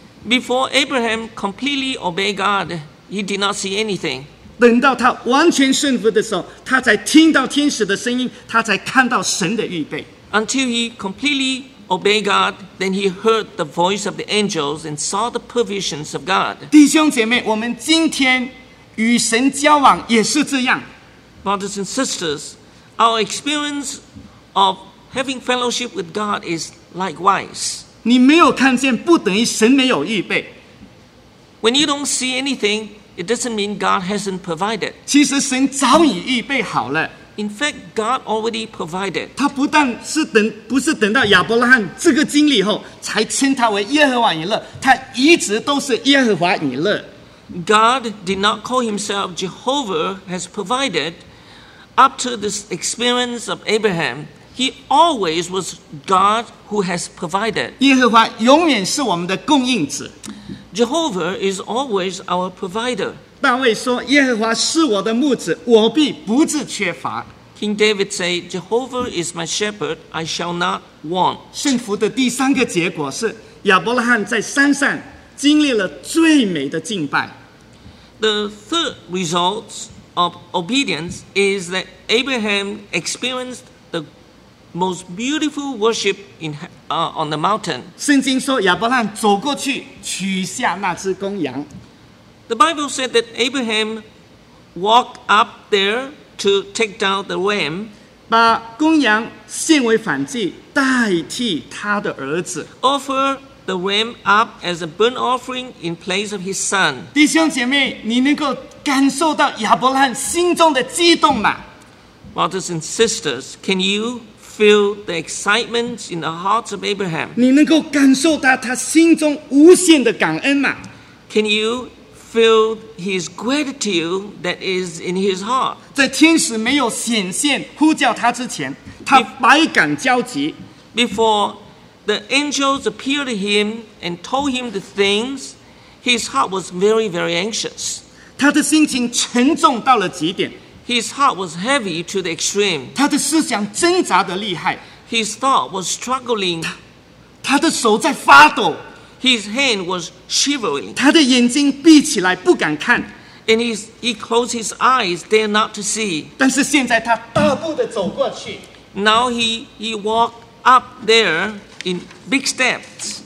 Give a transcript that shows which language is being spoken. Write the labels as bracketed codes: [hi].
[en] Before Abraham completely obeyed God, he did not see anything. [zh] 等到他完全顺服的时候，他才听到天使的声音，他才看到神的预备。 [en] Until he completely obey God, then he heard the voice of the angels and saw the provisions of God. [zh] 弟兄姐妹，我们今天与神交往也是这样。 [en] Brothers and sisters, our experience of having fellowship with God is likewise. [zh] 你没有看见，不等于神没有预备。 [en] When you don't see anything, it doesn't mean God hasn't provided. [zh] 其实神早已预备好了。 [en] In fact, God already provided. [zh] 他不但是不是等到亚伯拉罕这个经历以后才称他为耶和华以勒，他一直都是耶和华以勒。 [en] God did not call himself Jehovah has provided. Up to this experience of Abraham, he always was God who has provided. [zh] 耶和华永远是我们的供应者。 [en] Jehovah is always our provider. [zh] 大卫说：“耶和华是我的牧者，我必不致缺乏。” [en] King David said, "Jehovah is my shepherd; I shall not want." [zh] 顺服的第三个结果是亚伯拉罕在山上经历了最美的敬拜。 [en] The third result of obedience is that Abraham experienced the most beautiful worship on the mountain. [zh] 圣经说亚伯拉罕走过去取下那只公羊。 [en] The Bible said that Abraham walked up there to take down the ram, [zh] 把公羊献为燔祭，代替他的儿子。 [en] Offer the ram up as a burnt offering in place of his son. [zh] 弟兄姐妹，你能够感受到亚伯拉罕心中的激动吗？ [en] Brothers and sisters, can you feel the excitement in the hearts of Abraham? [zh] 你能够感受到他心中无限的感恩吗？ [en] Can you feel his gratitude that is in his heart. [zh] 在天使没有显现呼叫他之前，他百感交集。 [en] Before the angels appeared to him and told him the things, his heart was very, very anxious. [zh] 他的心情沉重到了极点。 [en] His heart was heavy to the extreme. [zh] 他的思想挣扎得厉害。 [en] His thought was struggling. [zh] 他的手在发抖。 [en] His hand was shivering. [zh] 他的眼睛闭起来，不敢看。 [en] And he closed his eyes, dare not to see. [zh] 但是现在他大步地走过去。 [en] Now he walked up there in big steps.